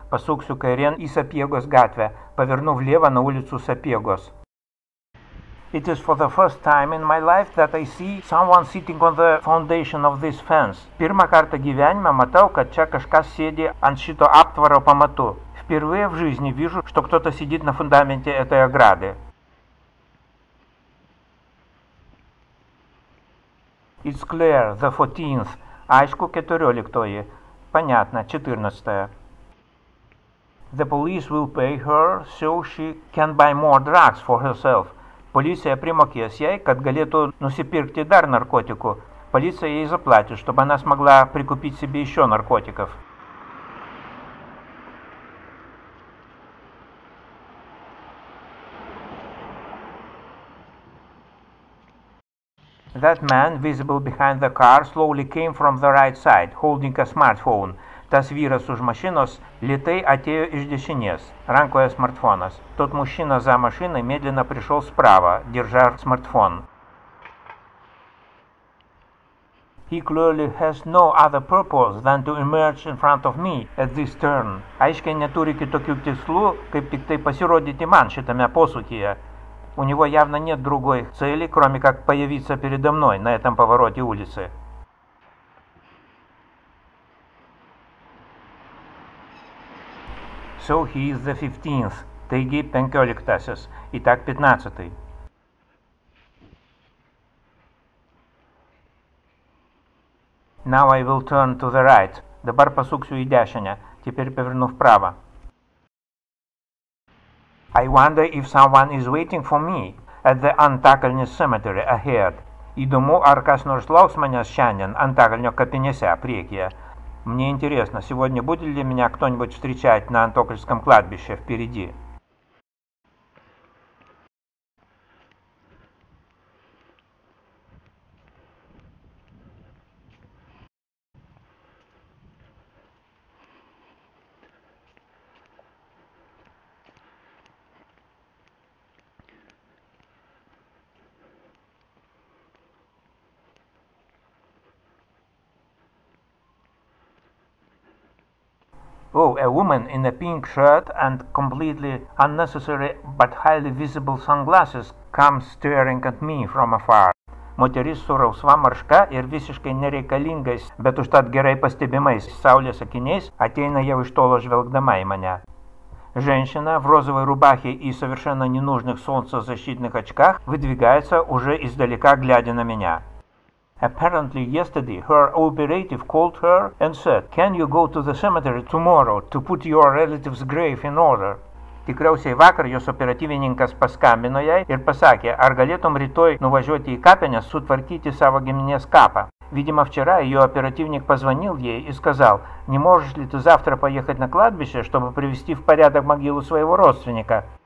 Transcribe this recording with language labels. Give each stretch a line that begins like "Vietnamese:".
Lithuanian: Pasuksiu kairėn į Sapiegos gatvę.
Russian: Повернув влево на улицу Sapiegos.
English: It is for the first time in my life that I see someone sitting on the foundation of this fence.
Lithuanian: Pirmą kartą gyvenime matau, kad čia kažkas sėdi ant šito aptvaro pamatų.
Russian: Впервые в жизни вижу, что кто-то сидит на фундаменте этой ограды.
English: It's clear, the 14th.
Lithuanian: Aišku, 14-oji.
Russian: Понятно, 14-я.
English: The police will pay her so she can buy more drugs for herself.
Lithuanian: Полиция примокес ей, как галету нусипиркти дар наркотику.
Russian: Полиция ей заплатит, чтобы она смогла прикупить себе еще наркотиков.
English: That man, visible behind the car, slowly came from the right side, holding a smartphone.
Lithuanian: Tas vyras už mašinos lėtai atėjo iš dešinės, rankoje smartfonas.
Russian: Тот мужчина за машиной медленно пришел справа, держа смартфон.
English: He clearly has no other purpose than to emerge in front of me at this turn.
Lithuanian: Aiškiai neturi kitokių tikslų, kaip tik tai pasirodyti man šitame posūkyje.
Russian: У него явно нет другой цели, кроме как появиться передо мной на этом повороте улицы.
English: So he is the 15th.
Lithuanian: Taigi penkioliktasis.
Russian: Итак, 15-й.
English: Now I will turn to the right.
Lithuanian: Dabar pasuksiu į dešinę.
Russian: Теперь поверну вправо.
English: I wonder if someone is waiting for me at the Antakalnio cemetery ahead.
Lithuanian: Įdomu, ar kas nors lauks manęs šiandien Antakalnio kapinėse priekyje.
Russian: Мне интересно, сегодня будет ли меня кто-нибудь встречать на Антокольском кладбище впереди?
English: Oh, a woman in a pink shirt and completely unnecessary but highly visible sunglasses comes staring at me from afar.
Lithuanian: Moteris su rausva marška ir visiškai nereikalingais, bet užtat gerai pastebimais saulės akiniais ateina jau iš tolo žvelgdama į mane.
Russian: Женщина в розовой рубахе и совершенно ненужных солнцезащитных очках выдвигается уже издалека, глядя на меня.
English: Apparently yesterday her operative called her and said, "Can you go to the cemetery tomorrow to put your relative's grave in order?"
Lithuanian: Tikriausiai vakar jos operatyvininkas paskambino jai ir pasakė, ar galėtum rytoj nuvažiuoti į kapines sutvarkyti savo giminės kapą.
Russian: Видимо, вчера ее оперативник позвонил ей и сказал, не можешь ли ты завтра поехать на кладбище, чтобы привести в порядок могилу своего родственника.